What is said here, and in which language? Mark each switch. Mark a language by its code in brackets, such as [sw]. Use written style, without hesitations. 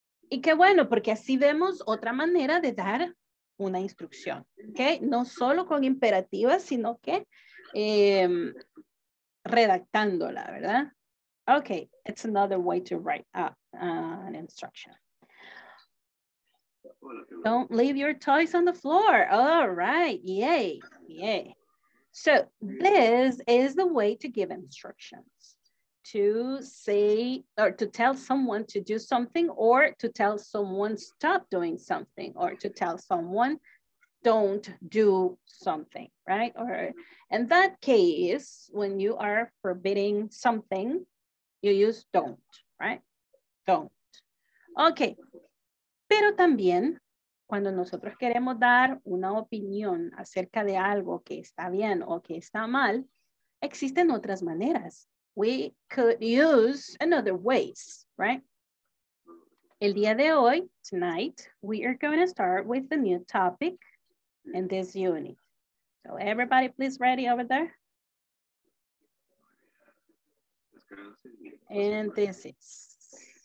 [es] Y qué bueno, porque así vemos otra manera de dar una instrucción, ¿ok? No solo con imperativas, sino que redactándola, ¿verdad? [en] Ok, it's another way to write an instruction. Don't leave your toys on the floor. All right, yay, yay. So this is the way to give instructions, to say or to tell someone to do something or to tell someone stop doing something or to tell someone don't do something, right? Or in that case, when you are forbidding something, you use don't, right? Don't. Okay. [es] Pero también cuando nosotros queremos dar una opinión acerca de algo que está bien o que está mal, existen otras maneras. [en] We could use another ways, right? [es] El día de hoy, [en] tonight, we are going to start with a new topic in this unit. So everybody please ready over there. And this is.